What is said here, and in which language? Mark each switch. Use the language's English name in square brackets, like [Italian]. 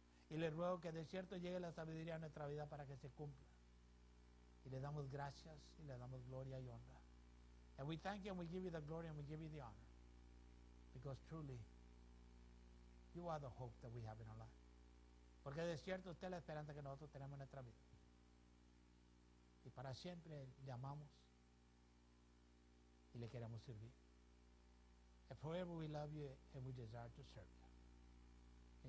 [Spanish] Y le ruego que de cierto llegue la sabiduría a nuestra vida para que se cumpla. Y le damos gracias y le damos gloria y honra. [English] And we thank you and we give you the glory and we give you the honor. Because truly, you are the hope that we have in our life. [Spanish] Porque de cierto usted es la esperanza que nosotros tenemos en nuestra vida. Y para siempre le amamos y le queremos servir. [English] And forever we love you and we desire to serve you.